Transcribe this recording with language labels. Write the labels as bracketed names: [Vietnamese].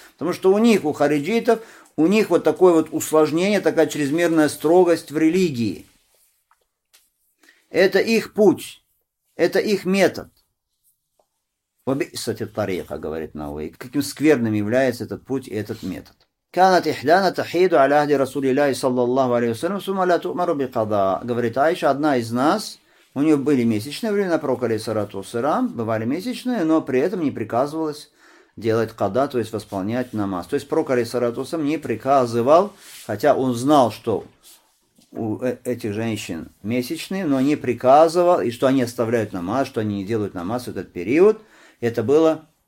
[Russian] Потому что у них, у хариджитов, у них вот такое вот усложнение, такая чрезмерная строгость в религии. Это их путь, это их метод. Кстати, тариха, говорит Науи, каким скверным является этот путь и этот метод. [Arabic] كانت إحدانا تحيد على عهد رسول الله صلى الله عليه وسلم ثم لا تؤمر بقضاء. [Russian] Говорит Айша, одна из нас, у нее были месячные времена пророка алейхи салату вассалям, бывали месячные, но при этом не приказывалось делать када, то есть восполнять намаз. То есть пророк алейхи салату вассалям не приказывал, хотя он знал, что у этих женщин месячные, но не приказывал, и что они оставляют намаз, что они не делают намаз в этот период. Это было...